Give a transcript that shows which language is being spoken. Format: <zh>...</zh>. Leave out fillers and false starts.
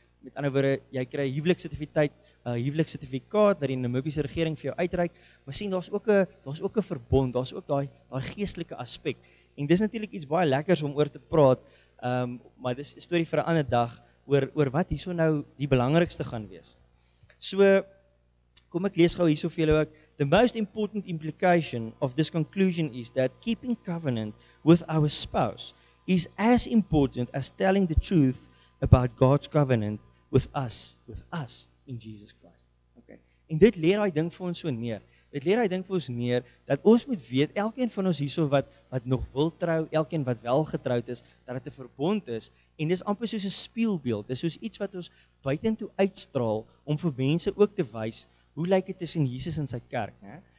<af>Met ander woorde, jy kry huweliksertifikaat dat die Namibiese regering vir jou uitreik, maar sien, daar's ook 'n verbond, daar's ook daai geestelike aspek. En dis natuurlik iets baie lekkers om oor te praat, maar dis 'n storie vir 'n ander dag, oor wat hierso nou die belangrikste gaan wees. So, kom ek lees gou hierso vir julle ook.</af> <en>The most important implication of this conclusion is that keeping covenant with our spouse is as important as telling the truth about God's covenant with us in Jesus Christ.</en> <af>Okay. En dit leer hy ding vir ons so neer. Dit leer hy ding vir ons neer, dat ons moet weet, elkeen van ons hierso wat nog wil trou, elkeen wat wel getroud is, dat het 'n verbond is, en dis amper soos 'n spieelbeeld, dis soos iets wat ons buitentoe uitstraal, om vir mense ook te wys, hoe lyk het tussen Jesus en sy kerk. Ne?</af>